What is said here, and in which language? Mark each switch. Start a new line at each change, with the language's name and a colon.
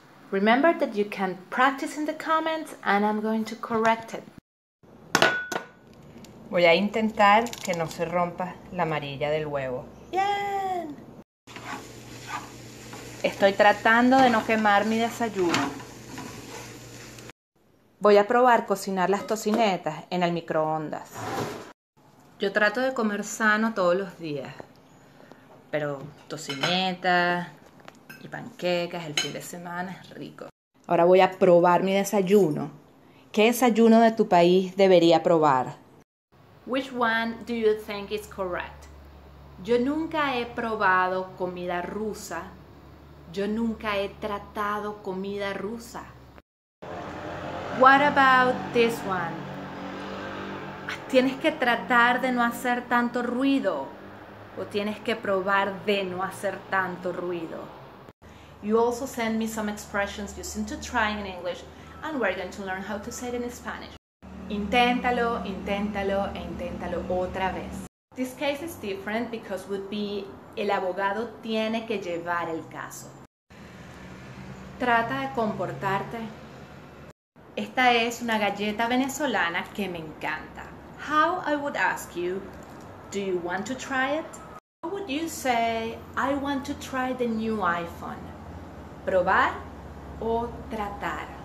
English: Remember that you can practice in the comments and I'm going to correct it.
Spanish: Voy a intentar que no se rompa la amarilla del huevo. ¡Bien! Estoy tratando de no quemar mi desayuno. Voy a probar cocinar las tocinetas en el microondas. Yo trato de comer sano todos los días, pero tocinetas y panquecas el fin de semana es rico. Ahora voy a probar mi desayuno. ¿Qué desayuno de tu país debería probar?
English: Which one do you think is correct?
Spanish: Yo nunca he probado comida rusa. Yo nunca he tratado comida rusa.
English: What about this one?
Spanish: Tienes que tratar de no hacer tanto ruido. O tienes que probar de no hacer tanto ruido.
English: You also send me some expressions using to try in English, and we're going to learn how to say it in Spanish.
Spanish: Inténtalo, inténtalo, e inténtalo otra vez.
English: This case is different because would be
Spanish: el abogado tiene que llevar el caso. Trata de comportarte. Esta es una galleta venezolana que me encanta.
English: How I would ask you, do you want to try it? How would you say, I want to try the new iPhone?
Spanish: ¿Probar o tratar?